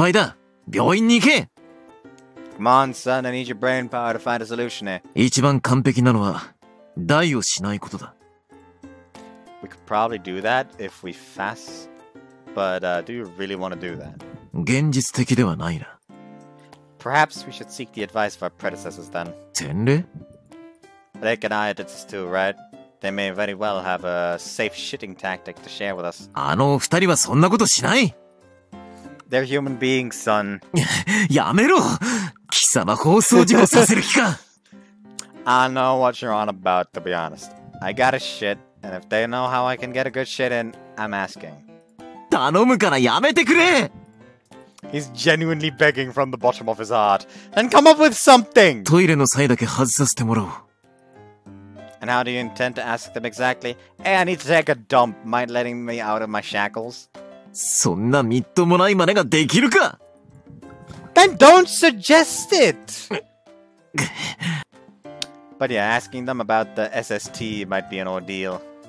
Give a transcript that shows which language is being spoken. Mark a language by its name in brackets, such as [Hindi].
[Japanese] むしろ心配だ。病院に行け。 [English] Come on, son, I need your brain power to find a solution here. [Japanese] 一番完璧なのは、代をしないことだ。 [English] We could probably do that if we fast, but do you really want to do that? [Japanese] 現実的ではないな。 [English] Perhaps we should seek the advice of our predecessors then. [Japanese] 前例? [English] Rick and I did this too, right? They may very well have a safe shitting tactic to share with us. [Japanese] あの二人はそんなことしない! [English] They're human beings, son. [Japanese] やめろ! 貴様放送事故させる気か! [English] I know what you're on about, to be honest. I got a shit, and if they know how I can get a good shit in, I'm asking. [Japanese] 頼むからやめてくれ! [English] He's genuinely begging from the bottom of his heart. Then come up with something! [Japanese] トイレの際だけ外させてもらおう。 [English] And how do you intend to ask them exactly? Hey, I need to take a dump. Mind letting me out of my shackles? [Japanese] そんなみっともない真似ができるか! [English] Then don't suggest it! But yeah, asking them about the SST might be an ordeal.